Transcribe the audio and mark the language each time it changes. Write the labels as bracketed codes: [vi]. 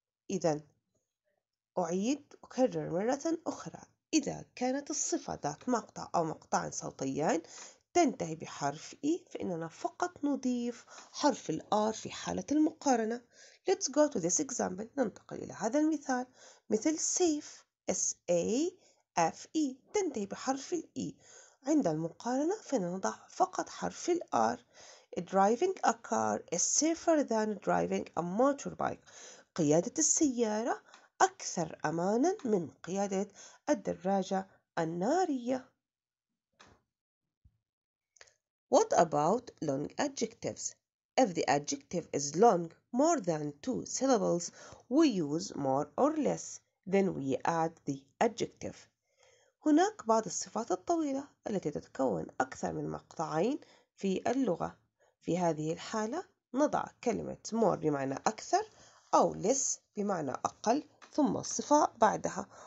[ar] إذن أعيد أكرر مرة أخرى إذا كانت الصفة ذات مقطع أو مقطعين صوتيين تنتهي بحرف E فإننا فقط نضيف حرف الـ R في حالة المقارنة. [en] Let's go to this example. [ar] ننتقل إلى هذا المثال. مثل [en] safe. [ar] S-A-F-E. تنتهي بحرف الـ E. عند المقارنة فنضع فقط حرف الـ R. [en] Driving a car is safer than driving a motorbike. [ar] قيادة السيارة أكثر أماناً من قيادة الدراجة النارية. [en] What about long adjectives? If the adjective is long, more than two syllables, we use more or less. Then we add the adjective. [ar] هناك بعض الصفات الطويلة التي تتكون أكثر من مقطعين في اللغة. في هذه الحالة نضع كلمة more بمعنى أكثر أو less بمعنى أقل ثم الصفة بعدها.